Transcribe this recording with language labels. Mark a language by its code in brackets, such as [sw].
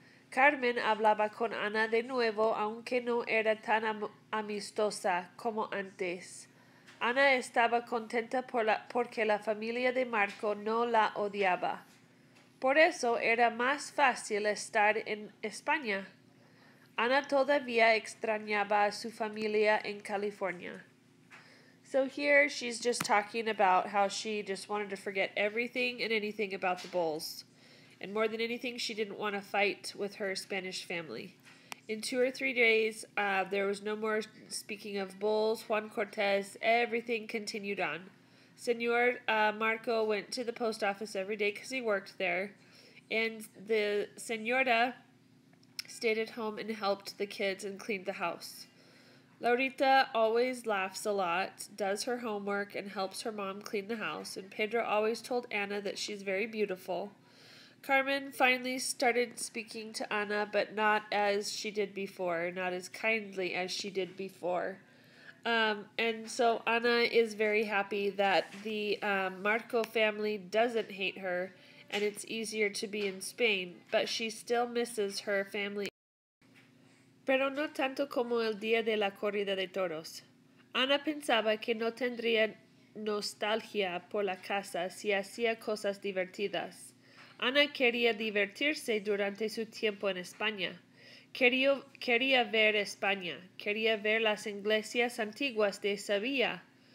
[es] Carmen hablaba con Ana de nuevo, aunque no era tan amistosa como antes. Ana estaba contenta porque la familia de Marco no la odiaba. Por eso era más fácil estar en España. Ana todavía extrañaba a su familia en California. [en] So here she's just talking about how she just wanted to forget everything and anything about the Bulls. And more than anything, she didn't want to fight with her Spanish family. In 2 or 3 days, there was no more speaking of Bulls, Juan Cortez, everything continued on. Señor Marco went to the post office every day because he worked there. And the señora stayed at home and helped the kids and cleaned the house. Laurita always laughs a lot, does her homework, and helps her mom clean the house. And Pedro always told Ana that she's very beautiful. Carmen finally started speaking to Ana, but not as she did before, not as kindly as she did before. And so Ana is very happy that the Marco family doesn't hate her, and it's easier to be in Spain, but she still misses her family. [es] Pero no tanto como el día de la corrida de toros. Ana pensaba que no tendría nostalgia por la casa si hacía cosas divertidas. Ana quería divertirse durante su tiempo en España. Quería ver España. Quería ver las iglesias antiguas de Sevilla.